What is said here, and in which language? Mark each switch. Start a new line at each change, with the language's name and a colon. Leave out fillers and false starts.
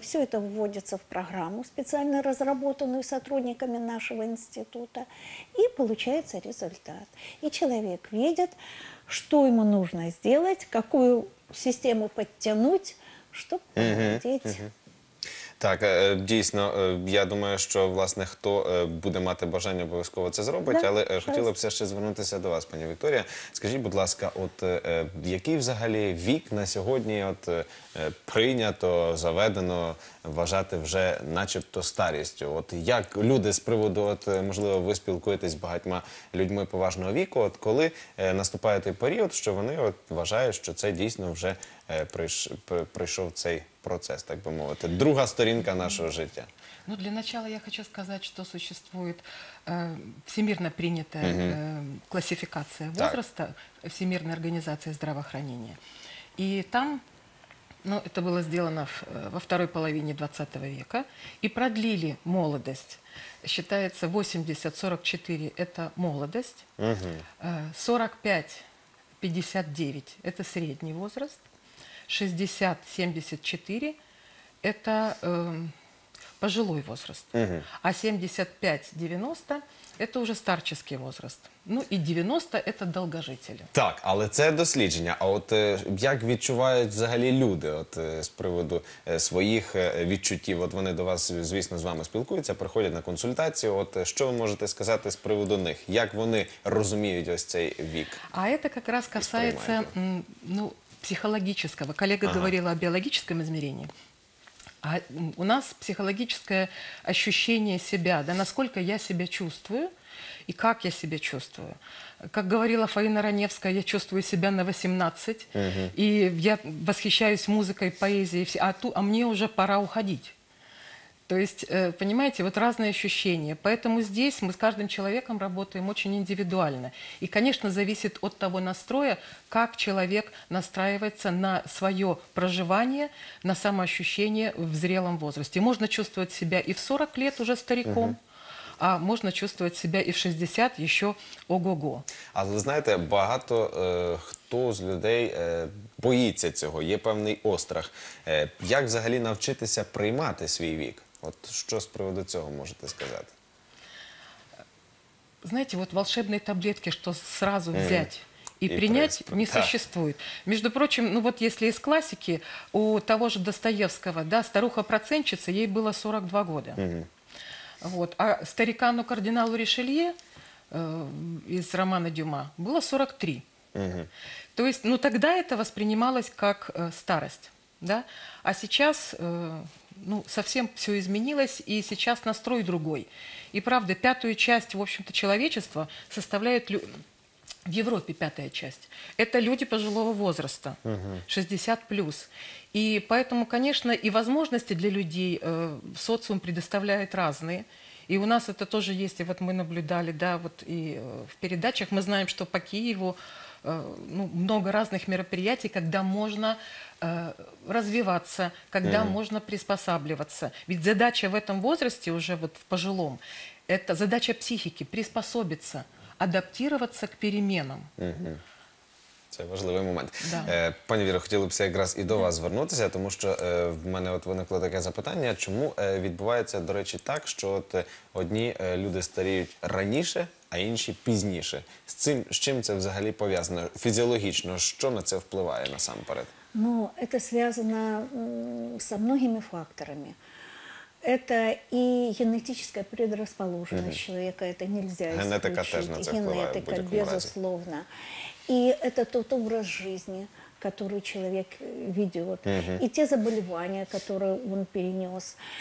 Russian: Все это вводится в программу, специально разработанную сотрудниками нашего института. И получается результат. И человек видит, что ему нужно сделать, какую систему подтянуть, чтобы подтянуть.
Ukrainian: Так, дійсно, я думаю, що, власне, хто буде мати бажання, обов'язково це зробить, але хотіла б ще звернутися до вас, пані Вікторія. Скажіть, будь ласка, от який взагалі вік на сьогодні от прийнято, заведено вважати вже начебто старістю? От як люди з приводу, от, можливо, ви спілкуєтесь з багатьма людьми поважного віку, от коли наступає той період, що вони от вважають, що це дійсно вже прийшов цей процес, так би мовити. Друга сторінка нашого життя. Ну, для начала я хочу сказати, що существує всемирно прийнята класифікація возрасту Всемирної організації здравоохранения. І там
Russian: Но это было сделано во второй половине 20 века. И продлили молодость. Считается 80-44 – это молодость. Угу. 45-59 – это средний возраст. 60-74 – это пожилой возраст. Угу. А 75-90 – это уже старческий возраст.
Ukrainian: Ну і 90 – це довгожителі. Так, але це дослідження. А от як відчувають взагалі люди от, з приводу своїх відчуттів? От вони до вас, звісно, з вами спілкуються, приходять на консультацію. От що ви можете сказати з приводу них? Як вони розуміють ось цей вік? А це якраз касається психологічного. Колега говорила о біологічному змірінні. А у нас психологічне відчуття себе, да, наскільки я себе чувствую,
Russian: и как я себя чувствую. Как говорила Фаина Раневская, я чувствую себя на 18, и я восхищаюсь музыкой, поэзией, а мне уже пора уходить. То есть, понимаете, вот разные ощущения. Поэтому здесь мы с каждым человеком работаем очень индивидуально. И, конечно, зависит от того настроя, как человек настраивается на свое проживание, на самоощущение в зрелом возрасте. Можно чувствовать себя и в 40 лет уже стариком,
Ukrainian: а можна чувствувати себе і в 60, і ще ого-го. А ви знаєте, багато хто з людей боїться цього, є певний острах. Як взагалі навчитися приймати свій вік? От що з приводу цього можете сказати? Знаєте, от волшебні таблетки, що зразу взяти і прийняти, не существує. Між прочим, ну от якщо із класики, у того ж Достоєвського, да, старуха-процентчиця, їй було 42 роки.
Russian: Вот. А старикану кардиналу Ришелье из романа Дюма было 43. То есть, ну тогда это воспринималось как старость. Да? А сейчас совсем все изменилось, и сейчас настрой другой. И правда, пятую часть, в общем-то, человечества составляет в Европе пятая часть. Это люди пожилого возраста, 60+. И поэтому, конечно, и возможности для людей социум предоставляет разные. И у нас это тоже есть. И вот мы наблюдали, да, вот и в передачах мы знаем, что по Киеву много разных мероприятий, когда можно развиваться, когда можно приспосабливаться. Ведь задача в этом возрасте уже вот в пожилом – это задача психики – приспособиться, адаптироваться к переменам.
Ukrainian: Це важливий момент. Да. Пані Віро, хотілося якраз і до вас звернутися, тому що в мене от виникло таке запитання, чому відбувається, до речі, так, що от одні люди старіють раніше, а інші пізніше. З чим це взагалі пов'язано фізіологічно? Що на це впливає насамперед? Ну, це зв'язано з багатьма факторами.
Russian: Это и генетическая предрасположенность человека, это нельзя исключить. Генетика тоже на это влияет, безусловно. И это тот образ жизни, который человек ведет, и те заболевания, которые он перенес.